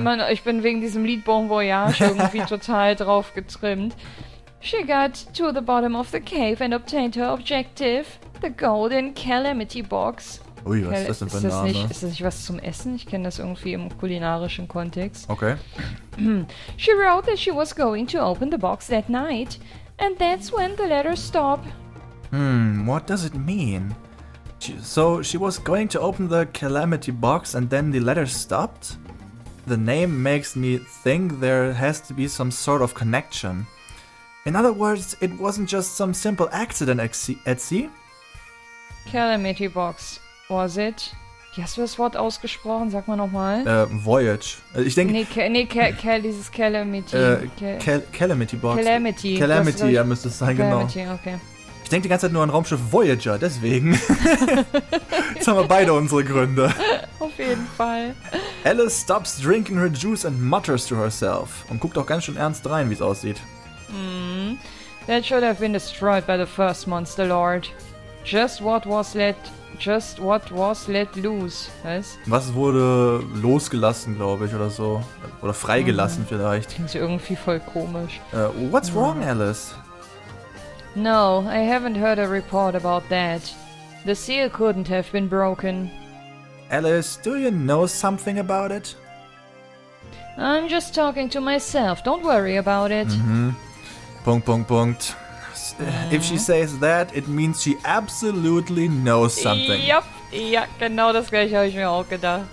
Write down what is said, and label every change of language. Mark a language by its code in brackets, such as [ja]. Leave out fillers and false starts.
[de] Ich bin wegen diesem Lied Bon Voyage irgendwie total drauf getrimmt. [en] She got to the bottom of the cave and obtained her objective, the golden calamity box. [de] Ui, was ist das denn für ein Name? Ist das nicht was zum Essen? Ich kenne das irgendwie im kulinarischen Kontext. Okay. [en] She wrote that she was going to open the box that night. And that's when the letters stop. What does it mean? So she was going to open the calamity box and then the letters stopped? The name makes me think there has to be some sort of connection. In other words, it wasn't just some simple accident at sea? Calamity box, was it? [de] Wie hast du das Wort ausgesprochen? Sag mal nochmal. Voyage. Ich denke. Dieses Calamity. Calamity Box. Calamity. Calamity, ja, müsste es sein, Calamity, genau. Calamity, okay. Ich denke die ganze Zeit nur an Raumschiff Voyager, deswegen. Jetzt haben wir beide unsere Gründe. Auf jeden Fall. [en] Alice stops drinking her juice and mutters to herself. [de] Und guckt auch ganz schön ernst rein, wie es aussieht. [en] That should have been destroyed by the first Monster Lord. Just what was let loose, was? [de] Was wurde losgelassen, glaube ich, oder so. Oder freigelassen vielleicht. Klingt irgendwie voll komisch. [en] What's wrong, Alice? No, I haven't heard a report about that. The seal couldn't have been broken. Alice, do you know something about it? I'm just talking to myself. Don't worry about it. [de] Mm-hmm. Punkt, Punkt, Punkt. [en] If she says that, it means she absolutely knows something. Yep. [de] Ja, genau das gleiche habe ich mir auch gedacht.